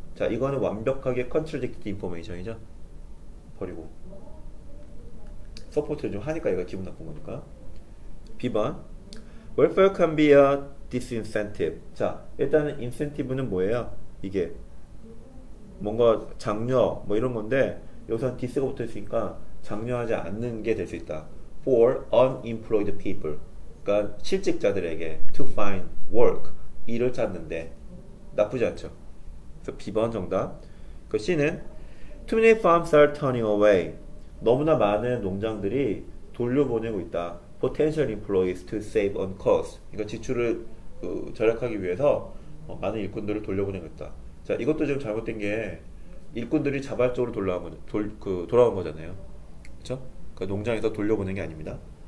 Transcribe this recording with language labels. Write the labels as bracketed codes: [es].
[ko] 자, 이거는 완벽하게 [en] contradicted information [ko] 이죠. 버리고 서포트를 좀 하니까 얘가 기분 나쁜 거니까. [en] B번 welfare can be a disincentive. [ko] 자, 일단은 incentive는 뭐예요? 이게 뭔가 장려 뭐 이런 건데 여기서 dis가 붙어 있으니까 장려하지 않는 게될수 있다. [en] For unemployed people, [ko] 그러니까 실직자들에게 [en] to find work, [ko] 2를 찾는데 나쁘지 않죠. 그래서 B번 정답. 그 C는 [en] Too many farms are turning away. [ko] 너무나 많은 농장들이 돌려보내고 있다. [en] Potential employees to save on costs. [ko] 이거 지출을 절약하기 위해서 많은 일꾼들을 돌려보내고 있다. 자, 이것도 지금 잘못된 게 일꾼들이 자발적으로 돌아온 거잖아요. 그쵸? 그 농장에서 돌려보낸 게 아닙니다.